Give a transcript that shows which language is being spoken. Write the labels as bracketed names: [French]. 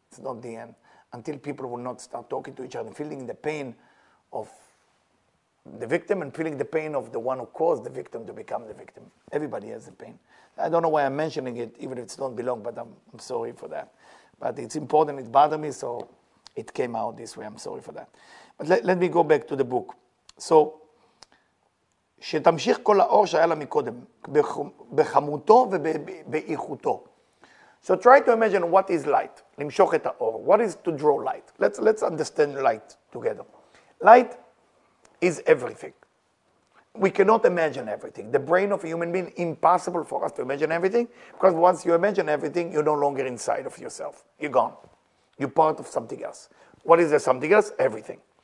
[English] It's not the end until people will not start talking to each other, feeling the pain of the victim and feeling the pain of the one who caused the victim to become the victim. Everybody has a pain. I don't know why I'm mentioning it, even if it don't belong, but I'm sorry for that. But it's important, it bothered me, so it came out this way. I'm sorry for that. But let me go back to the book. [Hebrew] So, שתמשיך כל האור שהיה לה מקודם, בחמותו ובאיכותו. [English] So try to imagine what is light, [Hebrew] למשוך את האור. [English] What is to draw light? Let's understand light together. Light is everything. We cannot imagine everything. The brain of a human being, impossible for us to imagine everything, because once you imagine everything, you're no longer inside of yourself. You're gone. You're part of something else. What is the something else? Everything.